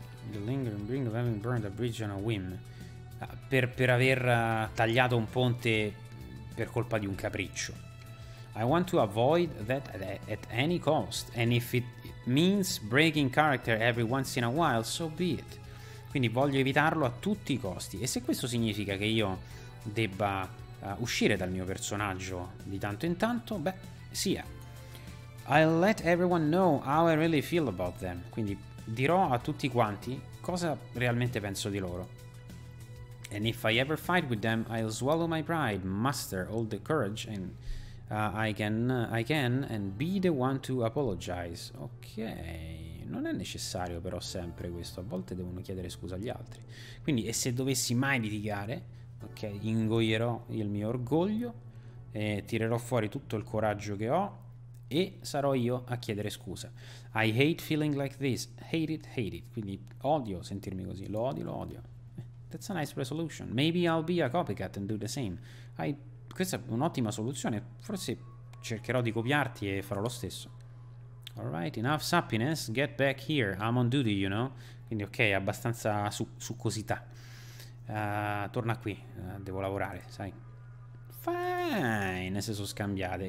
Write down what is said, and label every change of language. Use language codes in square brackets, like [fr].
[en] The lingering bring of having burned a bridge on a whim. [it] Per aver tagliato un ponte per colpa di un capriccio. [en] I want to avoid that at any cost. And if it means breaking character every once in a while, so be it. [it] Quindi voglio evitarlo a tutti i costi. E se questo significa che io debba uscire dal mio personaggio di tanto in tanto, beh, sia. [en] I'll let everyone know how I really feel about them. [it] Quindi dirò a tutti quanti cosa realmente penso di loro. [en] And if I ever fight with them, I'll swallow my pride, muster all the courage and I can and be the one to apologize. [it] Ok, non è necessario però sempre questo, a volte devono chiedere scusa agli altri. Quindi, e se dovessi mai litigare, ok, ingoierò il mio orgoglio e tirerò fuori tutto il coraggio che ho e sarò io a chiedere scusa. [en] I hate feeling like this, hate it. [it] Quindi odio sentirmi così, lo odio. [en] That's a nice resolution. Maybe I'll be a copycat and do the same. [it] Questa è un'ottima soluzione. Forse cercherò di copiarti e farò lo stesso. [en] Alright, enough sappiness. Get back here. I'm on duty, you know. [it] Quindi ok, abbastanza succosità. Torna qui. Devo lavorare, sai. Fine. Se sono scambiate.